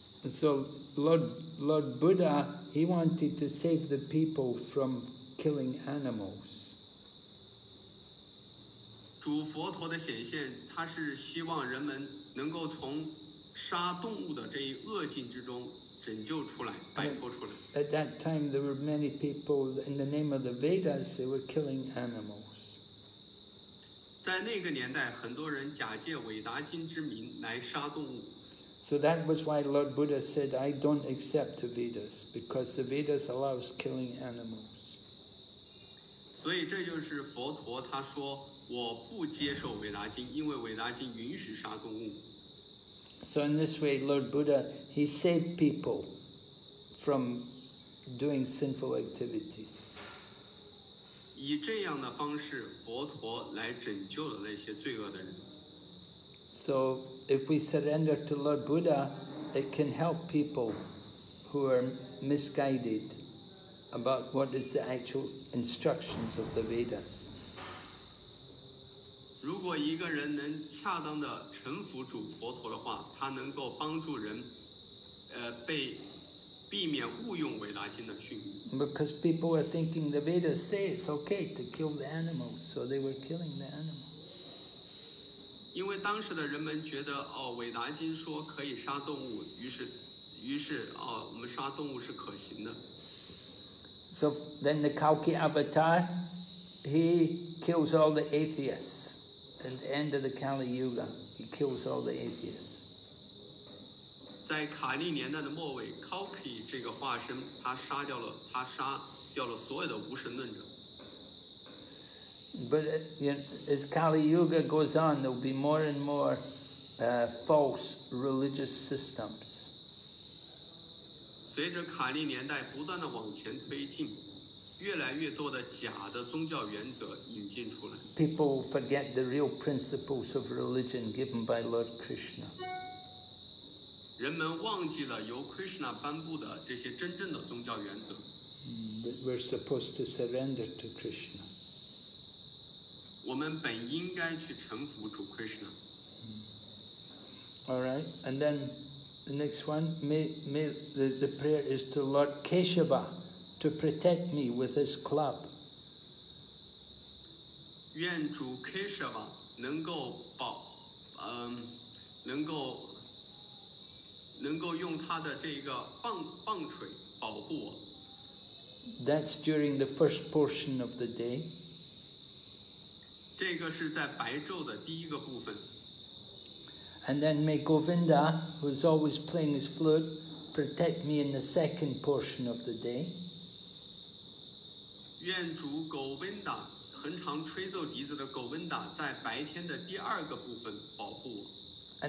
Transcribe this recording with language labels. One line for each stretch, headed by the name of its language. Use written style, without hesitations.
English: So Lord Buddha, he wanted to save the people from killing animals.
Chinese: 主佛陀的显现，他是希望人们能够从杀动物的这一恶境之中拯救出来，摆脱出来。
English: At that time, there were many people in the name of the Vedas who were killing animals.
Chinese: 在那个年代，很多人假借伟达经之名来杀动物。
English: So that was why Lord Buddha said, I don't accept the Vedas, because the Vedas allows killing animals.
Chinese: 所以这就是佛陀他说，我不接受伟达经，因为伟达经允许杀动物。
English: So in this way, Lord Buddha, he saved people from doing sinful activities.
Chinese: 以这样的方式，佛陀来拯救了那些罪恶的人。
English: So, if we surrender to Lord Buddha, it can help people who are misguided about what is the actual instructions of the Vedas.
Chinese: 如果一个人能恰当的臣服主佛陀的话，他能够帮助人，避免误用伟大经的训诫。
English: Because people were thinking the Vedas say it's okay to kill the animals, so they were killing the animals.
Chinese: 因为当时的人们觉得，哦，伟达经说可以杀动物，于是，于是哦，我们杀动物是可行的。
English: So then the Kalki avatar, he kills all the atheists. At the end of the Kali Yuga, he kills all the atheists.
Chinese: 在卡利年代的末尾 ，Kalki 这个化身，他杀掉了，他杀掉了所有的无神论者。
English: But it, you know, as Kali Yuga goes on, there will be more and more false religious systems.
Chinese: 随着卡利年代不断的往前推进，越来越多的假的宗教原则引进出来。
English: People forget the real principles of religion given by Lord Krishna.
Chinese: 人们忘记了由 Krishna 颁布的这些真正的宗教原则。
English: That we're supposed to surrender to Krishna.
Chinese: 我们本应该去臣服主 Krishna.
English: All right, and then the next one, the prayer is to Lord Keshava to protect me with his club.
Chinese: 愿主 Keshava 能够保，能够用他的这个棒槌保护我。
English: That's during the first portion of the day.
Chinese: 这个是在白昼的第一个部分。
English: And then may Govinda, who is always playing his flute, protect me in the second portion of the day.
Chinese: 愿主 Govinda, 恒常吹奏笛子的 Govinda, 在白天的第二个部分保护我。